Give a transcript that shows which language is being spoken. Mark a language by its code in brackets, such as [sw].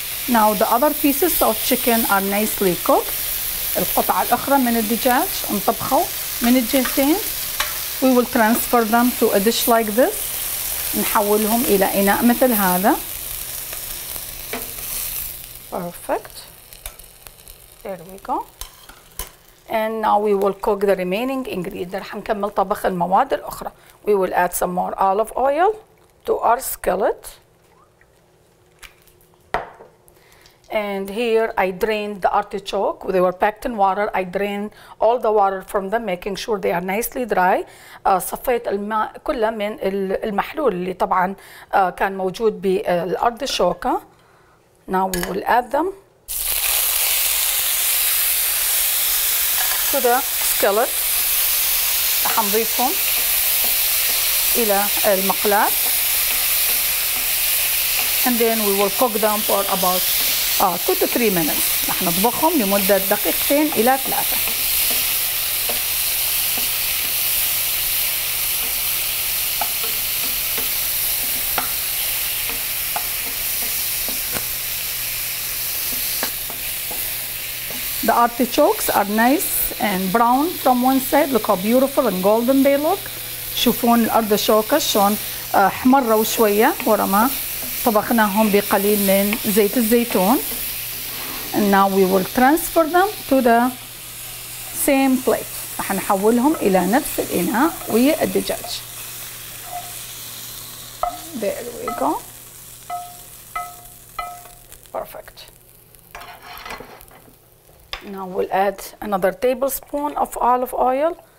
[en] Now the other pieces of chicken are nicely cooked. [ar] القطعة الأخرى من الدجاج نطبخه من الجهتين. [en] We will transfer them to a dish like this. [ar] نحولهم إلى إناء مثل هذا. [en] Perfect. There we go. And now we will cook the remaining ingredients. [ar] رح نكمل طبخ المواد الأخرى. [en] We will add some more olive oil to our skillet. And here I drained the artichoke. They were packed in water. I drained all the water from them, making sure they are nicely dry. [ar] صفيت الماء كله من المحلول اللي طبعا كان موجود بالأرتيشوكة. [en] Now we will add them to the skillet. [ar] حنضيفهم إلى المقلاة. [en] And then we will cook them for about 2 to 3 minutes. [ar] رح نطبخهم لمدة دقيقتين إلى ثلاثة. [en] The artichokes are nice and brown from one side. Look how beautiful and golden they look. [ar] شوفون الأرتيشوكة شلون حمروا شوية ورا ما طبخناهم بقليل من زيت الزيتون. [en] And now we will transfer them to the same plate. [ar] رح نحولهم إلى نفس الإناء ويا الدجاج. [en] There we go. Perfect. Now we'll add another tablespoon of olive oil.